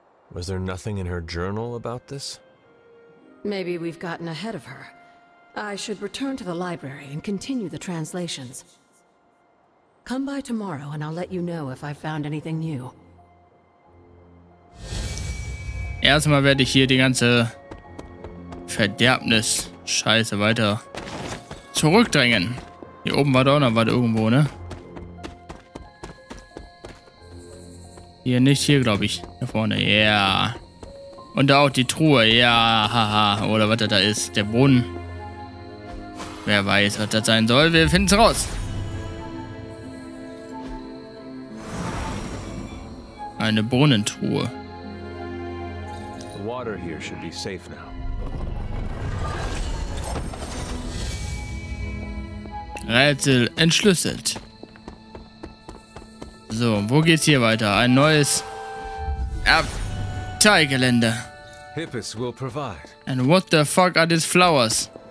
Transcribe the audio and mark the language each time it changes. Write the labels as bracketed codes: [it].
[en] Was there nothing in her journal about this? Maybe we've gotten ahead of her. I should return to the library and continue the translations. Come by tomorrow and I'll let you know if I've found anything new. [de] Erstmal werde ich hier die ganze Verderbnis Scheiße weiter zurückdrängen. Hier oben war doch noch was irgendwo, ne? Hier nicht, hier glaube ich. Da vorne, ja. Yeah. Und da auch die Truhe, ja, haha. Oder was da ist, der Brunnen. Wer weiß, was das sein soll. Wir finden es raus. Eine Brunnentruhe. [en] The water here should be safe now. [de] Rätsel entschlüsselt. So, wo geht's hier weiter? Ein neues Abteigelände. [en] Hippus will provide. And what the fuck are these flowers?